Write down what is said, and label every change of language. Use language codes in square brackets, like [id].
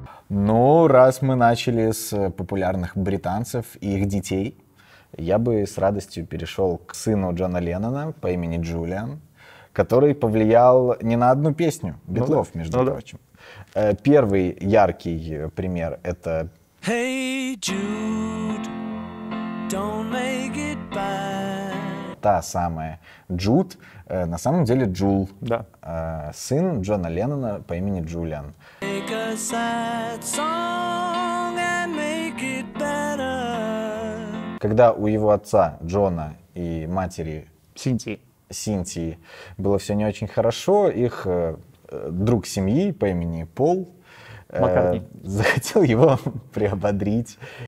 [ru] Ну, раз мы начали с популярных британцев и их детей, я бы с радостью перешел к сыну Джона Леннона по имени Джулиан, который повлиял не на одну песню Битлов, между прочим. Первый яркий пример — это... [en] Hey Jude, don't make it bad. [ru] Та самая Джуд, на самом деле Джул. Да. Сын Джона Леннона по имени Джулиан. [en] Make a sad song and make it better. [ru] Когда у его отца Джона и матери... Синтии было все не очень хорошо, их... друг семьи по имени Пол захотел его приободрить.